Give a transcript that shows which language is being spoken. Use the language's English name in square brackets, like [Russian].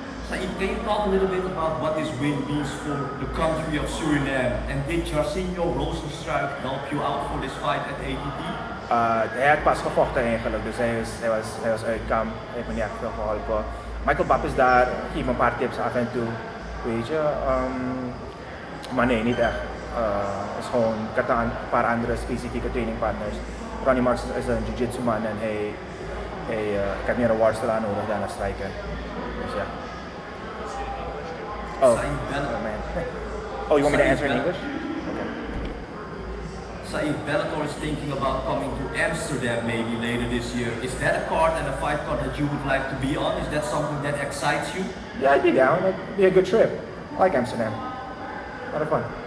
[English] Saïd, can you talk a little bit about what this win means for the country of Suriname? And did Jarsinho Rozenstruik help you out for this fight at ATP? [Dutch] Hij had pas gevochten eigenlijk, dus hij was uit kamp, hij heeft me niet echt veel geholpen. Michael Bapp is daar, geef me een paar tips af en toe, weet je. Maar nee, niet echt. Het is gewoon, ik had een paar andere specifieke trainingpartners. Ronny Markes is een jiu-jitsu man en hij ik heb meer een worstelaar nodig dan een striker. Dus ja. [English] Yeah. Oh, you want me to answer in English? Saïd, Bellator is thinking about coming to Amsterdam maybe later this year. Is that a card and a fight card that you would like to be on? Is that something that excites you? Yeah, I'd be down. It'd be a good trip. I like Amsterdam. A lot of fun.